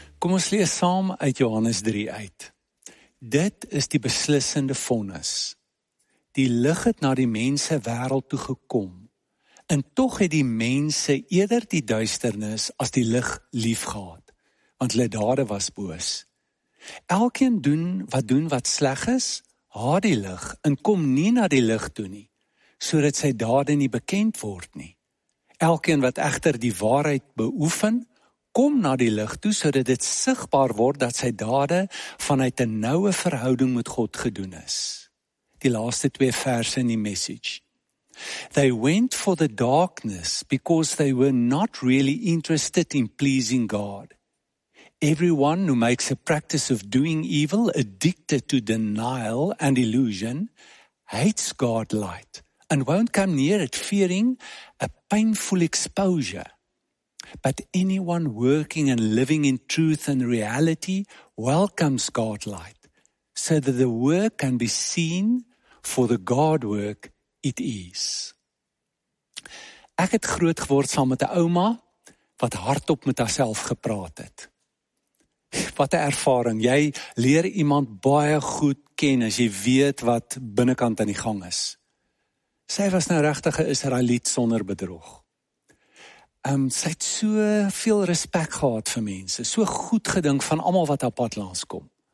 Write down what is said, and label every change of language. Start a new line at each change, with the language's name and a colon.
Afrikaans: moes lees saam uit Johannes 3 uit. Dit is die beslissende vonnis. Die lig het na die mense wêreld toe gekom. En tog het die mense eerder die duisternis as die lig liefgehad, want hulle dade was boos. Elkeen doen wat sleg is, haat die lig en kom nie na die lig toe nie, sodat sy dade nie bekend word nie. Elkeen wat egter die waarheid beoefen, kom na die lig toe sodat dit sigbaar word dat sy dade vanuit 'n noue verhouding met God gedoen is. Die laaste twee verse in die message.
English: They went for the darkness because they were not really interested in pleasing God. Everyone who makes a practice of doing evil, addicted to denial and illusion, hates God light and won't come near it, fearing a painful exposure. But anyone working and living in truth and reality welcomes God light so that the work can be seen for the God work it is.
Afrikaans: Ek het groot geword saam met 'n ouma wat hardop met haarself gepraat het. Wat 'n ervaring. Jy leer iemand baie goed ken as jy weet wat binnekant aan die gang is. Sy was nou regtig 'n Israeliet sonder bedrog. Sy het so veel respek gehad vir mense, so goed gedink van almal wat haar pad langs kom.